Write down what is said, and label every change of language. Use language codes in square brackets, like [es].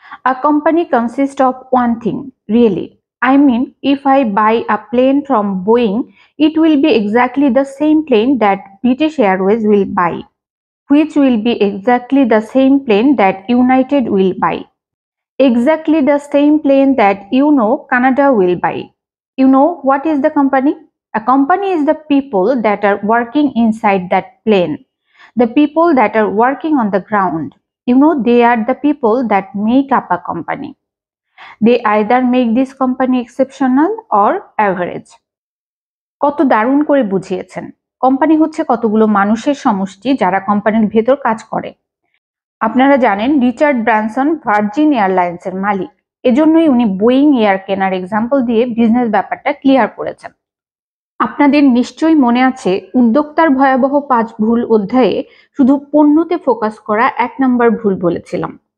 [en] A company consist of one thing, really. I mean, if I buy a plane from Boeing, it will be exactly the same plane that British Airways will buy, which will be exactly the same plane that United will buy, exactly the same plane that you know Canada will buy. You know what is the company? A company is the people that are working inside that plane. The people that are working on the ground. You know, they are the people that make up a company. They either make this company exceptional or average. [bn] কত দারুণ করে বুঝিয়েছেন। Company হচ্ছে কতগুলো মানুষের সমষ্টি যারা কোম্পানির ভেতর কাজ করে। আপনারা জানেন রিচার্ড ব্রানসন ভার্জিন এয়ারলাইন্সের মালিক, এজন্যই উনি বোয়িং এয়ার কেনার এক্সাম্পল দিয়ে বিজনেস ব্যাপারটা ক্লিয়ার করেছেন। আপনাদের নিশ্চয়ই মনে আছে উদ্যোক্তার ভয়াবহ 5 ভুল অধ্যায়ে শুধু পণ্যতে ফোকাস করা 1 নম্বর ভুল বলেছিলাম।